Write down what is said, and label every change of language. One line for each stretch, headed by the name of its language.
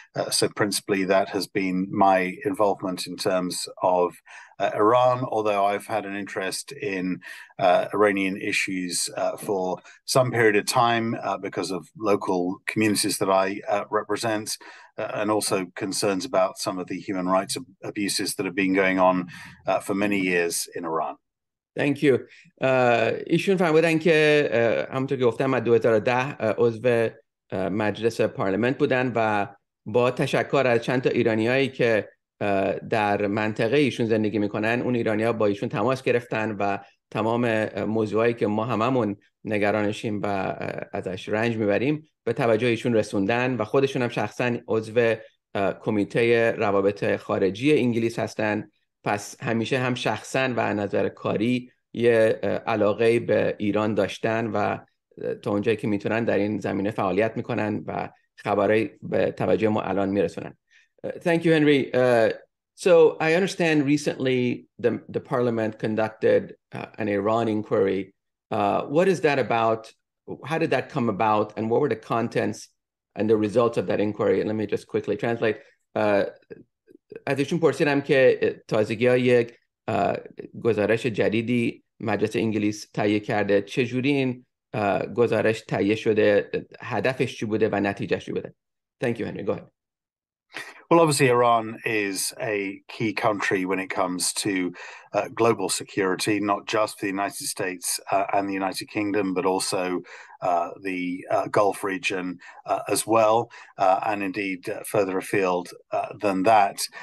English: So principally, that has been my involvement in terms of Iran, although I've had an interest in Iranian issues for some period of time because of local communities that I represent, and also concerns about some of the human rights abuses that have been going on for many years in Iran. Thank you.
Persian: ایشون فرمودن که همونطور که گفتم از 2010 عضو مجلس پارلمنت بودن، و با تشکر از چند تا ایرانیایی که در منطقه ایشون زندگی میکنن، اون ایرانیا با ایشون تماس گرفتن و تمام موضوعایی که ما هممون نگرانشیم و ازش رنج میبریم به توجه ایشون رسوندن، و خودشون هم شخصا عضو کمیته روابط خارجی انگلیس هستن. پس همیشه هم شخصا و از نظر کاری یه علاقه به ایران داشتن و تا اونجایی که میتونن در این زمینه فعالیت میکنن و خبرای به توجه ما الان میرسونن.
English: Thank you, Henry. So I understand recently the parliament conducted an Iran inquiry. What is that about? How did that come about? And what were the contents and the results of that inquiry? And let me just quickly translate.
Persian: از ایشون پرسیدم که تازگی ها یک گزارش جدیدی مجلس انگلیس تهیه کرده، چجوری این گزارش تهیه شده، هدفش چی بوده و نتیجهش چی بوده؟
English: Thank you, Henry. Go ahead. Well, obviously, Iran is a key country when it comes to global security, not just for the United States and the United Kingdom, but also the Gulf region as well, and indeed further afield than that.